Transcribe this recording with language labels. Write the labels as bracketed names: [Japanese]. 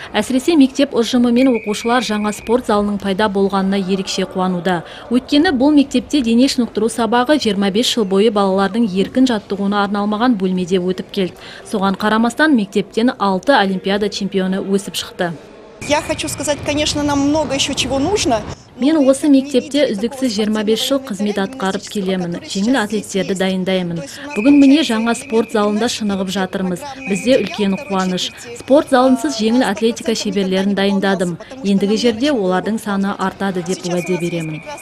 [Kazakh] Әсіресе мектеп ұжымы мен оқушылар жаңа спорт залының пайда болғанына ерекше қуануда. Өйткені бұл мектепте дене шынықтыру сабағы 25 жыл бойы балалардың еркін жаттығуына арналмаған бөлмеде өтіп келді. Соған қарамастан мектептен 6 олимпиада чемпионы өсіп шықты. [Russian] Я хочу сказать, конечно, нам много еще чего нужно. [Kazakh] Мен осы мектепте үздіксіз 25 жыл қызмет атқарып келемін, жеңіл атлеттерді дайындаймын. Бүгін міне жаңа спорт залында шынығып жатырмыз, бізде үлкен қуаныш. Спорт залынсыз жеңіл атлетика шеберлерін дайындадым. Ендігі жерде олардың саны артады деп уәде беремін.